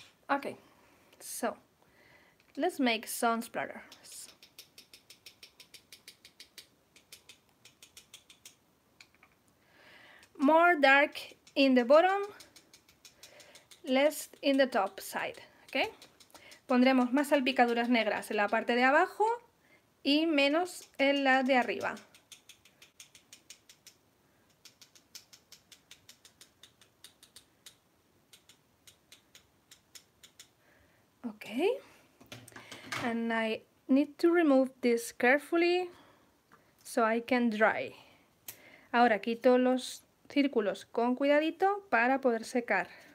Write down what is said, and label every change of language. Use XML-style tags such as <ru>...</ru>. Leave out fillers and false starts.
<en>Okay, so let's make some splatters. More dark in the bottom, less in the top side. Okay?</en> <es>Pondremos más salpicaduras negras en la parte de abajo y menos en la de arriba.</es> <en>Okay, and I need to remove this carefully so I can dry.</en> <es>Ahora quito los círculos con cuidadito para poder secar.</es>